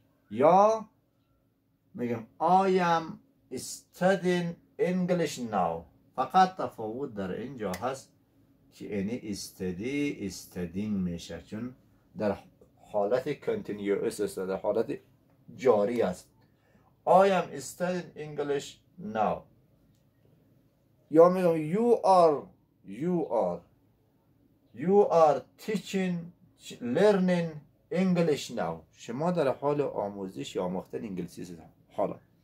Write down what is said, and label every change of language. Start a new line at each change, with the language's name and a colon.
Persian: یا میگم
English: I am studying English now.
Persian: فقط تفاوت در اینجا هست که اینی
English: استدی استدین
Persian: میشه، چون در حالت continuous است، در حالت جاری است.
English: I am studying English now.
Persian: یا میگم
English: you are teaching learning English now.
Persian: شما در حال آموزش یا آموختن انگلیسی هستید حالا.